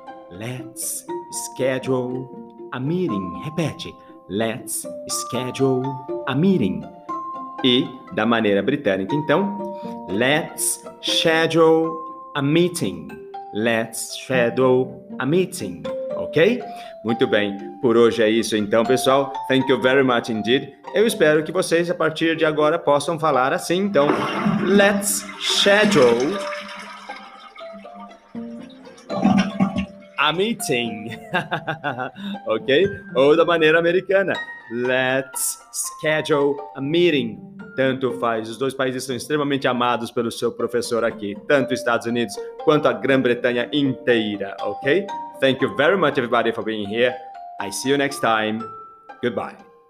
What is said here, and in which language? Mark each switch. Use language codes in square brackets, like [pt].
[en] Let's schedule a meeting. [pt] Repete, [en] let's schedule a meeting. [pt] E da maneira britânica, então, [en] let's schedule a meeting. Let's schedule a meeting. [pt] Ok? Muito bem. Por hoje é isso, então, pessoal. [en] Thank you very much indeed. [pt] Eu espero que vocês, a partir de agora, possam falar assim, então. [en] Let's schedule a meeting. Ok? [pt] Ou da maneira americana. [en] Let's schedule a meeting. [pt] Tanto faz. Os dois países são extremamente amados pelo seu professor aqui. Tanto os Estados Unidos quanto a Grã-Bretanha inteira. [en] Ok? Thank you very much, everybody, for being here. I see you next time. Goodbye.